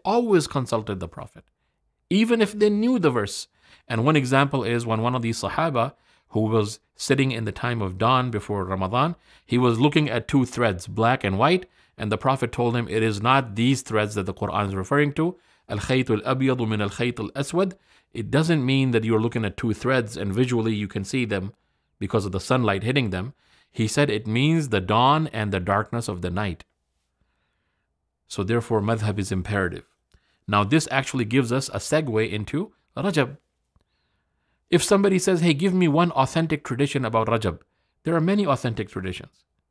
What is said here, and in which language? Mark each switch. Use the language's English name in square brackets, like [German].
[English] They always consulted the Prophet, even if they knew the verse. And one example is when one of these Sahaba, who was sitting in the time of dawn before Ramadan, he was looking at two threads, black and white, and the Prophet told him, it is not these threads that the Quran is referring to. [Arabic] الخيط الأبيض من الخيط الأسود. [English] It doesn't mean that you're looking at two threads and visually you can see them because of the sunlight hitting them. He said it means the dawn and the darkness of the night. So therefore, madhab is imperative. Now this actually gives us a segue into Rajab. If somebody says, hey, give me one authentic tradition about Rajab, there are many authentic traditions.